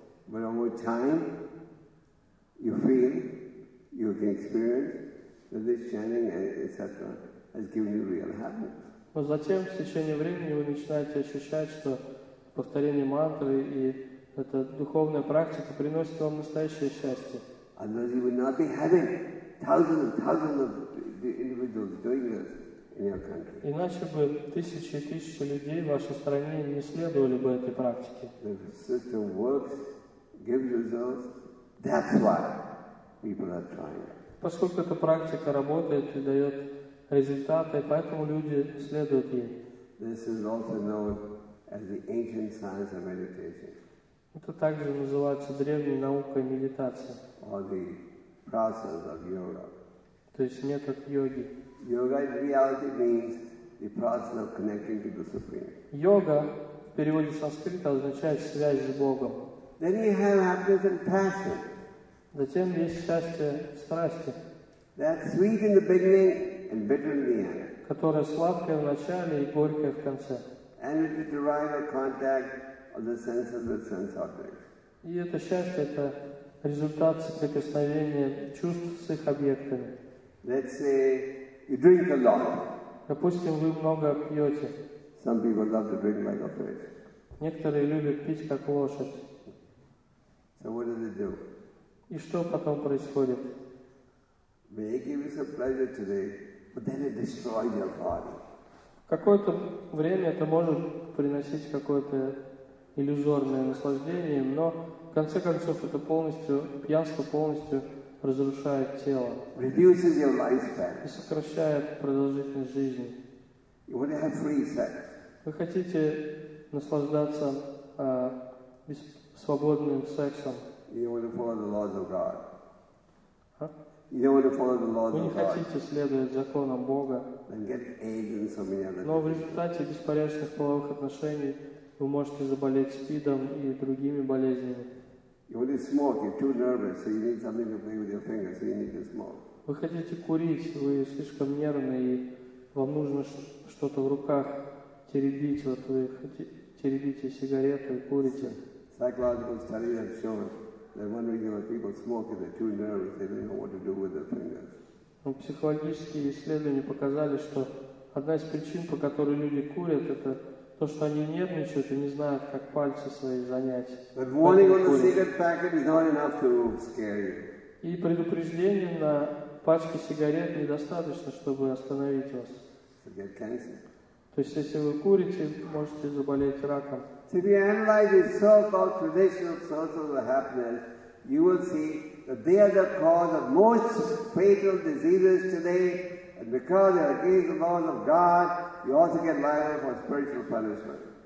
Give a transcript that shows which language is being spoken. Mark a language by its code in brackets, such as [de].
[en] But over time, you feel, you can experience that this chanting, etc., has given you real happiness. [ru] Но затем, в течение времени, вы начинаете ощущать, что повторение мантры и эта духовная практика приносит вам настоящее счастье. [en] Otherwise, you would not be having thousands and thousands of individuals doing this in your country. [ru] Иначе бы тысячи и тысячи людей в вашей стране не следовали бы этой практике. [en] If the system works, gives results, that's why people are trying. [ru] Поскольку эта практика работает и дает результаты, поэтому люди следуют ей. [en] This is also known as the ancient science of meditation. [ru] Это также называется древней наукой медитации. [en] Or the process of yoga. [ru] То есть метод йоги. [en] Yoga in reality means the process of connecting to the Supreme. [ru] Йога в переводе с санскрита означает связь с Богом. [en] Then you have happiness and passion. [ru] Затем есть счастье, страсти. [en] That's sweet in the beginning and bitter in the end. [ru] Которое сладкое в начале и горькое в конце. [en] And it is derived from contact of the senses with sense objects. [ru] И это счастье, это результат соприкосновения чувств с их объектами. [en] Let's say you drink a lot. [ru] Допустим, вы много пьете. [en] Some people love to drink like a fish. [ru] Некоторые любят пить как лошадь. [en] So what do they do? [ru] И что потом происходит? [en] May it give you some pleasure today, but then it destroys your body. [ru] Какое-то время это может приносить какое-то иллюзорное наслаждение, но в конце концов это полностью, пьянство полностью разрушает тело. [en] Reduces your lifespan. [ru] И сокращает продолжительность жизни. [en] You want to have free sex. [ru] Вы хотите наслаждаться свободным сексом. [en] You want to follow the laws of God. You don't want to follow the laws of God. [ru] Вы не хотите следовать законам Бога. Но в результате беспорядочных половых отношений вы можете заболеть СПИДом и другими болезнями. [en] You want to smoke, you're too nervous, so you need something to play with your fingers, so you need to smoke. [ru] Вы хотите курить, вы слишком нервны, и вам нужно что-то в руках теребить, вот вы теребите сигарету и курите. [en] Psychological studies have shown that one reason why people smoke is they're too nervous, they don't know what to do with their fingers. [ru] Психологические исследования показали, что одна из причин, по которой люди курят, это то, что они нервничают и не знают, как пальцы свои занять. [en] But warning on the cigarette packet is not enough to scare you. [ru] И предупреждение на пачке сигарет недостаточно, чтобы остановить вас. [en] Forget cancer. [ru] То есть, если вы курите, можете заболеть раком. [en] So if you analyze the so-called traditional sources of happiness, you will see that they are the cause of most fatal diseases today, and because they are against the laws of God, you also get liable for spiritual punishment.